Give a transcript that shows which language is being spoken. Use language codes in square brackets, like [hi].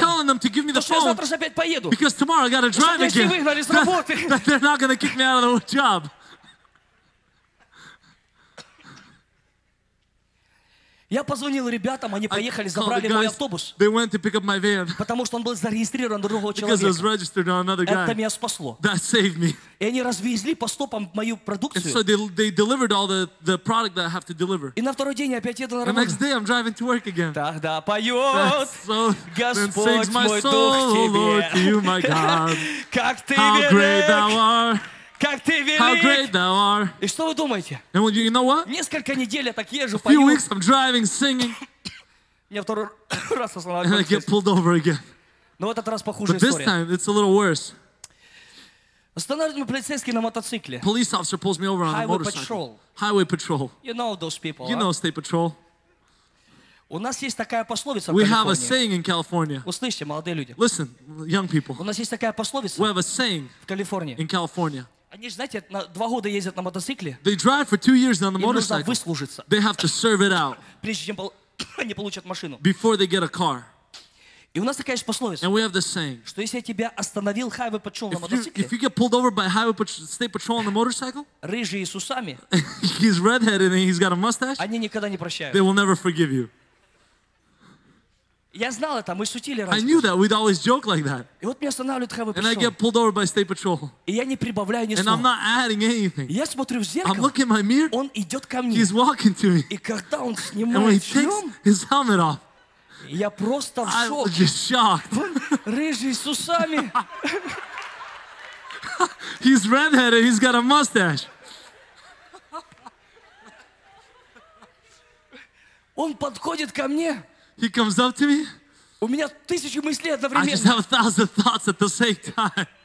[en] I'm telling them to give me the phone. [ru] Я завтра опять поеду. [en] Because tomorrow I gotta drive again. That they're not gonna kick me out of the job. [ru] Я позвонил ребятам, они поехали, забрали мой автобус. [en] They went to pick up my van. [ru] Потому что он был зарегистрирован на другого человека. Это меня спасло. [en] That saved me. [ru] И они развезли по стопам мою продукцию. [en] So they delivered all the product that I have to deliver. [ru] И на второй день я опять еду на работу. [en] The next day I'm driving to work again. [ru] Тогда поет Господь мой дух тебе. [en] Lord, to you, my God. [ru] Как ты [en] How [ru] велик. [en] Great thou art. [ru] Как ты велик! [en] How great thou are. [ru] И что вы думаете? [en] And when, you know what? [ru] Несколько недель я так езжу, [en] a few weeks I'm driving, singing. [ru] Мне второй раз останавливаюсь. [en] And I get pulled over again. [ru] Но в этот раз похуже история. [en] But this time it's a little worse. [ru] Останавливают меня полицейские на мотоцикле. [en] Police officer pulls me over on a motorcycle. Highway patrol. You know those people. You know state patrol. [ru] У нас есть такая пословица. [en] We have a saying in California. [ru] Услышьте, молодые люди. [en] Listen, young people. [ru] У нас есть такая пословица. [en] We have a saying [ru] в Калифорнии. [en] In California. [ru] Они, знаете, на два года ездят на мотоцикле. [en] They drive for two years on the motorcycle. [ru] Им нужно выслужиться. [en] They have to serve it out. [ru] Прежде чем они получат машину. [en] Before they get a car. [ru] И у нас такая же пословица. [en] And we have the saying. [ru] Что если я тебя остановил highway patrol на мотоцикле? [en] If you get pulled over by highway patrol, state patrol on the motorcycle? [ru] Рыжий с усами. [en] He's redheaded and he's got a mustache. [ru] Они никогда не прощают. [en] They will never forgive you. [ru] Я знал это, мы шутили раз. [en] I knew that, we'd always joke like that. [ru] И вот меня останавливают highway patrol. [en] And I get pulled over by state patrol. [ru] И я не прибавляю ни слова. [en] And I'm not adding anything. [ru] Я смотрю в зеркало. [en] I'm looking in my mirror. [ru] Он идет ко мне. [en] He's walking to me. [ru] И когда он снимает шлем, [en] and when he takes his helmet off, [ru] я просто в шоке. [en] I'm just shocked. [ru] Рыжий с усами. [en] He's redheaded, he's got a mustache. [ru] Он подходит ко мне. [en] He comes up to me. [ru] У меня тысячи мыслей одновременно. [en] I just have a thousand thoughts at the same time.